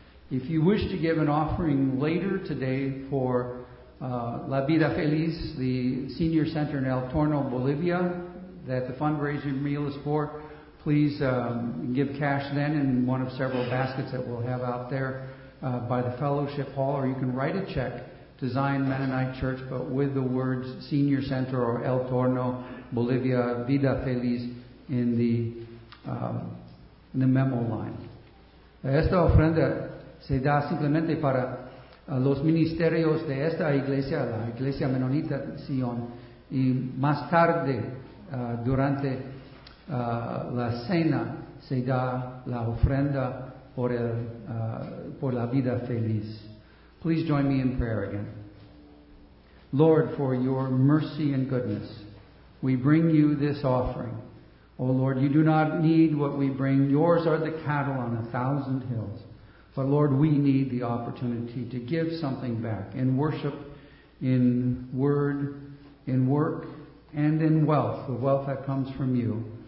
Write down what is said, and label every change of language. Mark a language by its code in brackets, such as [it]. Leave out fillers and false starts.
[en] If you wish to give an offering later today for La Vida Feliz, the senior center in El Torno, Bolivia, that the fundraising meal is for, please give cash then in one of several baskets that we'll have out there by the fellowship hall, or you can write a check to Zion Mennonite Church, but with the words Senior Center or El Torno, Bolivia, Vida Feliz in the memo line. [es] Esta ofrenda se da simplemente para los ministerios de esta iglesia, la iglesia menonita Sion, y más tarde durante la cena se da la ofrenda por la vida feliz. [en] Please join me in prayer again. Lord, for your mercy and goodness, we bring you this offering. Oh Lord, you do not need what we bring. Yours are the cattle on a thousand hills. But Lord, we need the opportunity to give something back in worship, in word, in work, and in wealth, the wealth that comes from you.